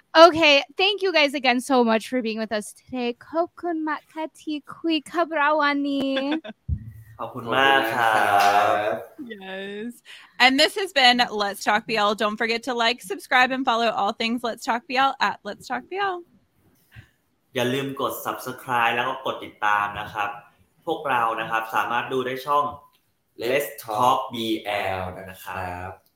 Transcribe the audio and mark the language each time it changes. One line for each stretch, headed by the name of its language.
English: Okay thank you guys again so much for being with us today
Thai: Kokun makati kui kabrawani
English: Yes. And this has been Let's Talk BL. Don't forget to like, subscribe, and follow all things Let's Talk BL at Let's Talk BL.
Thai: อย่าลืมกด subscribe แล้วก็กดติดตามนะครับพวกเรานะครับสามารถดูได้ช่อง Let's Talk BL นะครับ